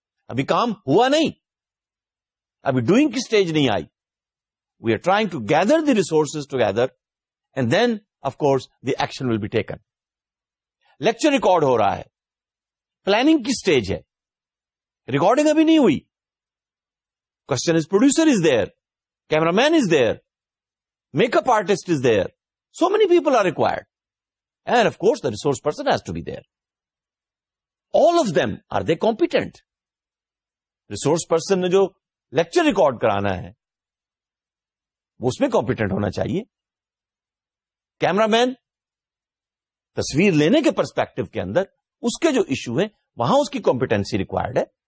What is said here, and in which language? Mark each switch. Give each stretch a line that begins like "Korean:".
Urdu: ابھی کام ہوا نہیں, ابھی ڈوئنگ کی اسٹیج نہیں آئی.
English: We are trying to gather the resources together and then of course the action will be taken.
Urdu: Lecture record ہو رہا ہے, پلاننگ کی اسٹیج ہے, ریکارڈنگ ابھی نہیں ہوئی.
English: Question is, producer is there, camera man is there, make up artist is there, so many people are required, and of course the resource person has to be there. All of them are they competent?
Urdu: Resource person نے جو lecture record کرانا ہے وہ اس میں competent ہونا چاہیے. Camera مین تصویر لینے کے پرسپیکٹو کے اندر اس کے جو ایشو ہیں وہاں اس کی کمپیٹنسی ریکوائرڈ ہے.